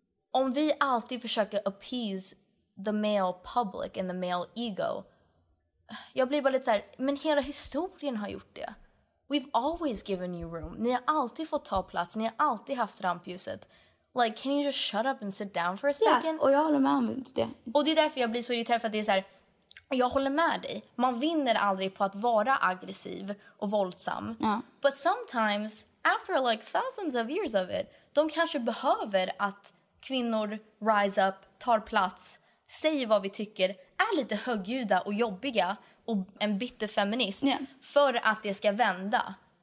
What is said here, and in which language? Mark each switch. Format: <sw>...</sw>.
<sv>Om vi alltid försöker appease the male public and the male ego, jag blir bara lite så här, men hela historien har gjort det. We've always given you room. Ni har alltid fått ta plats. Ni har alltid haft rampljuset.</sv> <en>Like, can you just shut up and sit down for a second?</en> <sv>Ja, och jag håller med om det. Och det är därför jag blir så irriterad, för att det är så här, jag håller med dig. Man vinner aldrig på att vara aggressiv och våldsam. Ja. But sometimes, after like thousands of years of it, de kanske behöver att kvinnor rise up, tar plats, säger vad vi tycker, är lite högljudda och jobbiga och en bitter feminist för att det ska vända.</sv>